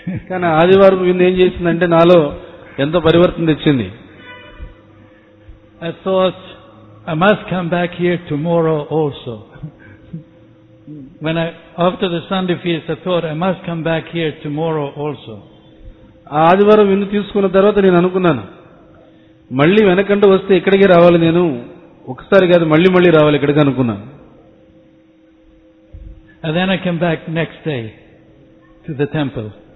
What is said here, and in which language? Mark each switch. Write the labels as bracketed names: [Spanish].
[Telugu] కానీ ఆదివారం విందు ఏం చేసిందంటే నాలో ఎంతో పరివర్తన తెచ్చింది. [English] I thought I must come back here tomorrow also. After the Sunday feast, I thought I must come back here tomorrow also. [Telugu] ఆదివారం విందు తీసుకున్న తర్వాత నేను అనుకున్నాను, మళ్లీ వెనకంటూ వస్తే ఇక్కడికి రావాలి నేను, ఒకసారి కాదు మళ్లీ మళ్లీ రావాలి ఇక్కడికి అనుకున్నాను. [English] And then I came back next day to the temple.